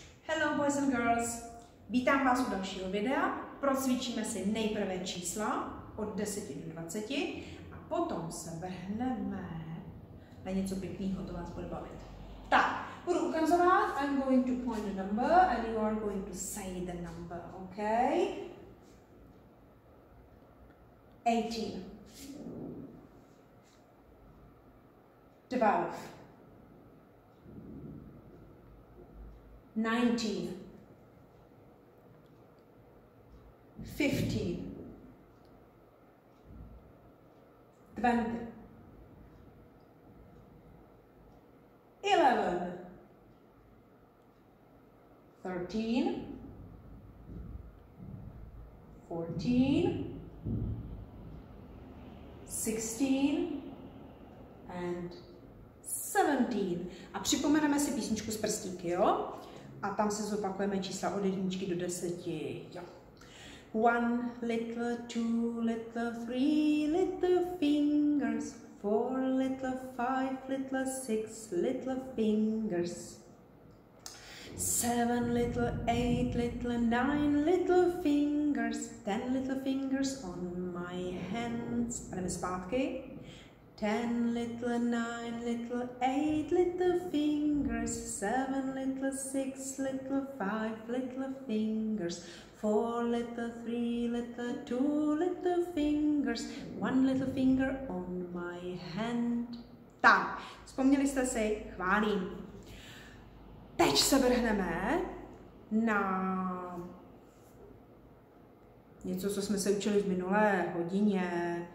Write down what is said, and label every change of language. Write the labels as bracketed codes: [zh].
[en] Hello boys and girls, [cs] vítám vás u dalšího videa. Procvičíme si nejprve čísla od 10 do 20 a potom se vrhneme na něco pěkného, to vás bude bavit. Tak, budu ukazovat, [en] I'm going to point a number and you are going to say the number, ok? 18 12 19 15 20 11 13 14 16 and 17. [cs] A připomeneme si písničku s prstíky, jo? A tam se zopakujeme čísla od jedničky do deseti, jo. [en] One little, two little, three little fingers, four little, five little, six little fingers, seven little, eight little, nine little fingers, ten little fingers on my hands. [cs] A jdeme zpátky. [en] Ten little, nine little, eight little fingers, seven little, six little, five little fingers, four little, three little, two little fingers, one little finger on my hand. [cs] Tak, vzpomněli jste si, chválím. Teď se vrhneme na něco, co jsme se učili v minulé hodině.